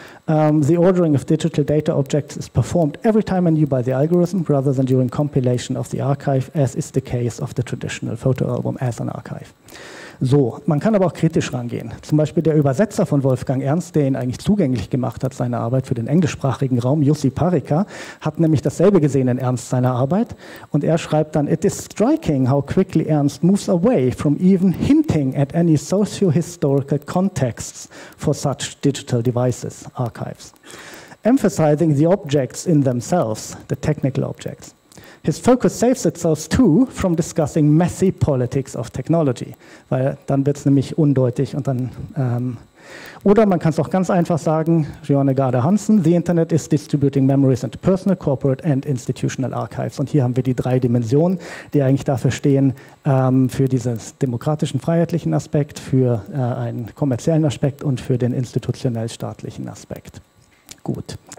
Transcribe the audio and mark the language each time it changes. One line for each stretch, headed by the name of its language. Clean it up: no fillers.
English: The ordering of digital data objects is performed every time anew by the algorithm rather than during compilation of the archive, as is the case of the traditional photo album as an archive.
German: So, man kann aber auch kritisch rangehen. Zum Beispiel der Übersetzer von Wolfgang Ernst, der ihn eigentlich zugänglich gemacht hat, seine Arbeit für den englischsprachigen Raum, Jussi Parika, hat nämlich dasselbe gesehen in Ernst seiner Arbeit. Und er schreibt dann,
English: it is striking how quickly Ernst moves away from even hinting at any socio-historical contexts for such digital devices, archives. Emphasizing the objects in themselves, the technical objects. His focus saves itself too from discussing messy politics of technology.
German: Weil dann wird es nämlich undeutig und dann. Oder man kann es auch ganz einfach sagen: Jörne Garde Hansen,
English: the internet is distributing memories into personal, corporate and institutional archives.
German: Und hier haben wir die drei Dimensionen, die eigentlich dafür stehen, für diesen demokratischen, freiheitlichen Aspekt, für einen kommerziellen Aspekt und für den institutionell-staatlichen Aspekt. Gut.